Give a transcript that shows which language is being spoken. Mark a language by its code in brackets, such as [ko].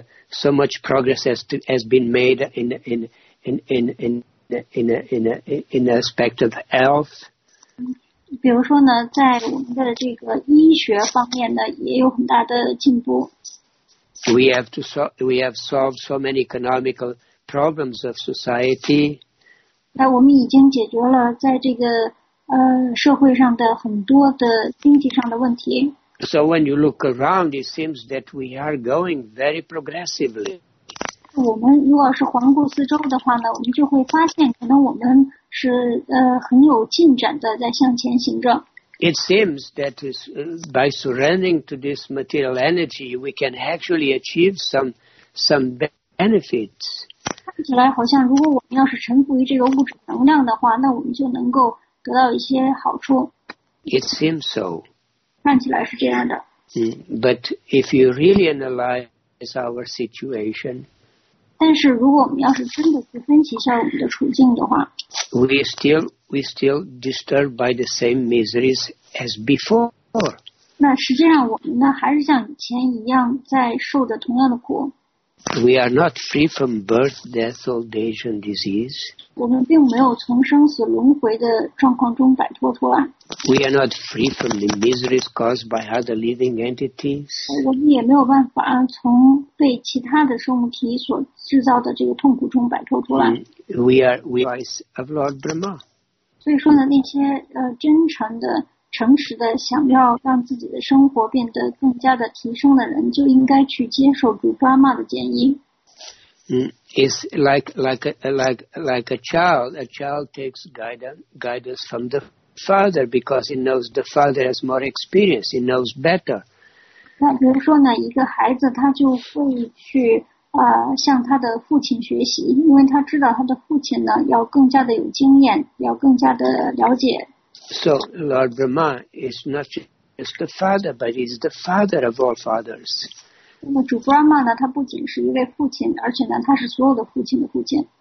[en] So much progress has been made in the aspect of health. [zh] 比如说呢，在我们的这个医学方面呢，也有很大的进步。 [en] We have solved so many economical problems of society. [zh] 那我们已经解决了在这个社会上的很多的经济上的问题。 [en] So when you look around, it seems that we are going very progressively. [zh] 我们如果是环顾四周的话呢，我们就会发现，可能我们是很有进展的在向前行着。 [en] It seems that by surrendering to this material energy, we can actually achieve some benefits. [zh] 看起来好像如果我们要是臣服于这个物质能量的话，那我们就能够得到一些好处。 [en] It seems so. [zh] 看起来是这样的。 [en] But if you really analyze our situation, [zh] 但是如果我们要是真的去分析一下我们的处境的话， [en] we still disturbed by the same miseries as before. [zh] 那实际上我们呢还是像以前一样在受着同样的苦。 [en] We are not free from birth, death, old age, and disease. [zh] 我们并没有从生死轮回的状况中摆脱出来。 [en] We are not free from the miseries caused by other living entities. [zh] 我们也没有办法从被其他的生物体所制造的这个痛苦中摆脱出来。 [en] We are voice of Lord Brahma. [zh] 所以说呢，那些真诚的、诚实的想要让自己的生活变得更加的提升的人，就应该去接受主巴玛的建议。 [en] It's like a child. A child takes guidance from the father because he knows the father has more experience. He knows better. [zh] 那比如说呢，一个孩子他就会去向他的父亲学习，因为他知道他的父亲呢要更加的有经验，要更加的了解。 [en] So Lord Brahma is not just the father, but he's the father of all fathers. [zh] 那主布拉玛呢？他不仅是一位父亲，而且呢，他是所有的父亲的父亲。